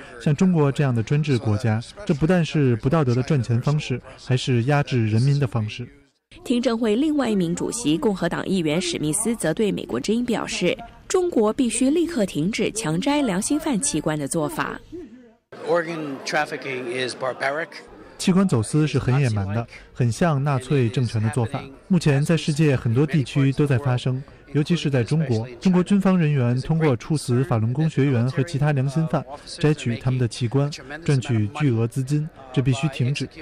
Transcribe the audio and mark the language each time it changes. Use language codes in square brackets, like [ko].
[zh] 像中国这样的专制国家，这不但是不道德的赚钱方式，还是压制人民的方式。听证会另外一名主席共和党议员史密斯则对美国之音表示，中国必须立刻停止强摘良心犯器官的做法。 [en] Organ trafficking is barbaric. [zh] 器官走私是很野蛮的，很像纳粹政权的做法。目前在世界很多地区都在发生，尤其是在中国。中国军方人员通过处死法轮功学员和其他良心犯，摘取他们的器官，赚取巨额资金，这必须停止。